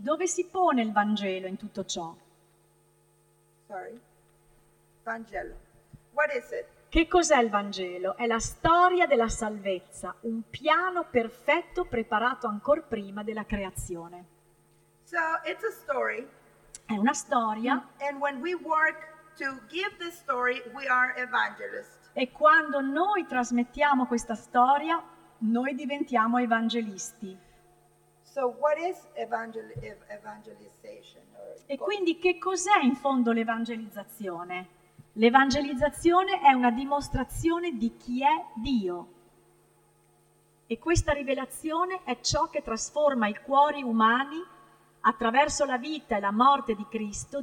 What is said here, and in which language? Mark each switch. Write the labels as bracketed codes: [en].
[it] Dove si pone il Vangelo in tutto ciò? [en] Sorry. Vangelo. What is it? [it] Che cos'è il Vangelo? È la storia della salvezza, un piano perfetto preparato ancor prima della creazione. [en] So, it's a story. [it] È una storia. [en] And when we work to give this story, we are evangelists. [it] E quando noi trasmettiamo questa storia, noi diventiamo evangelisti. [en] So, what is evangelization? [it] E quindi che cos'è in fondo l'evangelizzazione? L'evangelizzazione è una dimostrazione di chi è Dio. E questa rivelazione è ciò che trasforma i cuori umani attraverso la vita e la morte di Cristo.